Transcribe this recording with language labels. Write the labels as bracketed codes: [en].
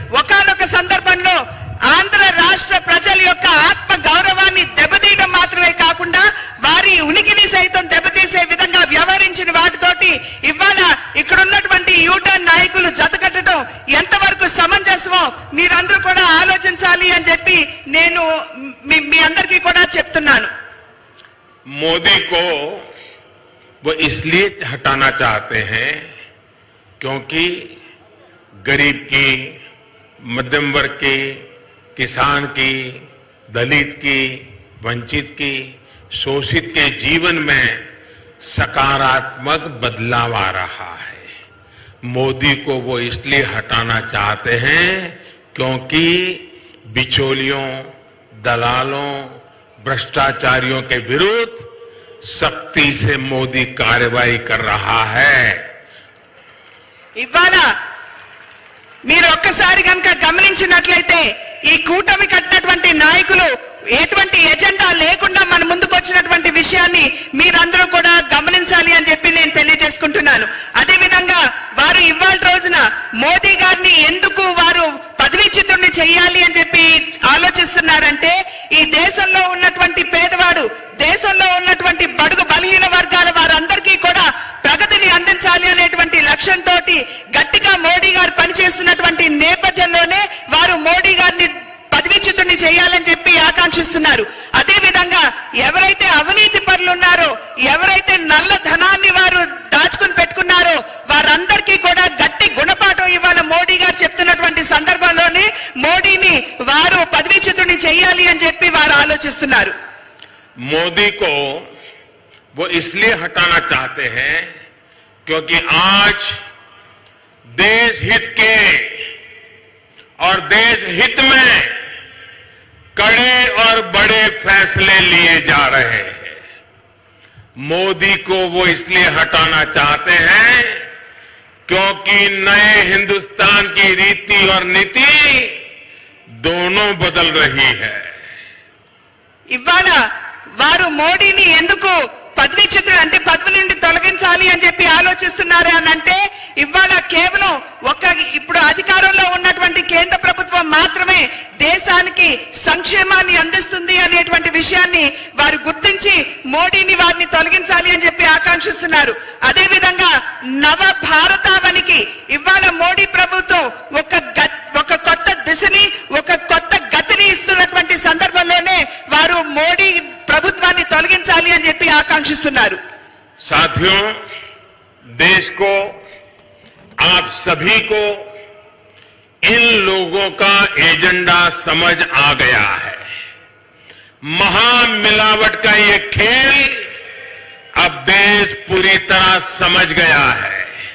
[te] ఒకనొక సందర్భంలో ఆంధ్ర రాష్ట్ర ప్రజల యొక్క ఆత్మ గౌరవాన్ని దెబ్బతీయడం మాత్రమే కాకుండా వారి ఉనికిని సైతం దెబ్బతీసే విధంగా వ్యవహరించిన వాటితోటి ఇవాళ ఇక్కడ ఉన్నటువంటి యూటర్న్ నాయకులు జత కట్టడం ఎంతవరకు సమంజసమో మీరందరూ కూడా ఆలోచించాలి అని చెప్పి నేను మీ అందరికీ కూడా చెప్తున్నాను. [hi] मोदी को वो इसलिए हटाना चाहते हैं क्योंकि गरीब की, मध्यम वर्ग की, किसान की, दलित की, वंचित की, शोषित के जीवन में सकारात्मक बदलाव आ रहा है. मोदी को वो इसलिए हटाना चाहते हैं क्योंकि बिचौलियों, दलालों, भ्रष्टाचारियों के विरुद्ध सख्ती से मोदी कार्रवाई कर रहा है. [te] ఇవాలా మీరు ఒక్కసారి గనుక గమనించినట్లయితే ఈ కూటమి కట్టినటువంటి నాయకులు ఎటువంటి ఎజెండా లేకుండా మన ముందుకు వచ్చినటువంటి విషయాన్ని మీరందరూ కూడా గమనించాలి అని చెప్పి నేను తెలియజేసుకుంటున్నాను. అదే విధంగా వారు ఇవాళ రోజున మోదీ గారిని ఎందుకు వారు పదవీ చిత్రుణ్ణి చేయాలి అని చెప్పి ఆలోచిస్తున్నారంటే ఈ దేశంలో ఉన్నటువంటి పేదవాడు, దేశంలో ఉన్నటువంటి బడుగు బలహీన వర్గాల వారందరికీ కూడా ప్రగతిని అందించాలి అనేటువంటి లక్ష్యంతో గట్టిగా మోడీ గారు పనిచేస్తున్నటువంటి నేపథ్యంలోనే వారు మోడీ గారిని పదవీ చిత్రుణ్ణి చేయాలని చెప్పి ఆకాంక్షిస్తున్నారు. అదే విధంగా ఎవరైతే అవినీతి పరులు ఉన్నారో, ఎవరైతే నల్ల ధనాన్ని వారు దాచుకుని పెట్టుకున్నారో వారందరికీ కూడా గట్టి గుణపాఠం ఇవ్వాలని మోడీ గారు చెప్తున్నటువంటి సందర్భంలోనే మోడీని వారు పదవీ చిత్రుణ్ణి చేయాలి అని చెప్పి వారు ఆలోచిస్తున్నారు. [hi] मोदी को वो इसलिए हटाना चाहते हैं क्योंकि आज देश हित के और देश हित में कड़े और बड़े फैसले लिए जा रहे हैं. मोदी को वो इसलिए हटाना चाहते हैं क्योंकि नए हिंदुस्तान की रीति और नीति दोनों बदल रही है. [te] इवाना వారు మోడీని ఎందుకు పదవీ చిత్రుడు అంటే పదవి నుండి తొలగించాలి అని చెప్పి ఆలోచిస్తున్నారు అని అంటే ఇవాళ కేవలం ఒక ఇప్పుడు అధికారంలో ఉన్నటువంటి కేంద్ర ప్రభుత్వం మాత్రమే దేశానికి సంక్షేమాన్ని అందిస్తుంది అనేటువంటి విషయాన్ని వారు గుర్తించి మోడీని వారిని తొలగించాలి అని చెప్పి ఆకాంక్షిస్తున్నారు. అదే విధంగా నవ భారతావనికి ఇవాళ మోడీ ప్రభుత్వం ఒక కొత్త దిశని, ఒక కొత్త గతిని ఇస్తున్నటువంటి సందర్భంలోనే వారు మోడీ ప్రభుత్వాన్ని తొలగించాలి అని చెప్పి ఆకాంక్షిస్తున్నారు. [hi] సాధ్యం దేశ కో आप सभी को इन लोगों का एजेंडा समझ आ गया है. महामिलावट का ये खेल अब देश पूरी तरह समझ गया है.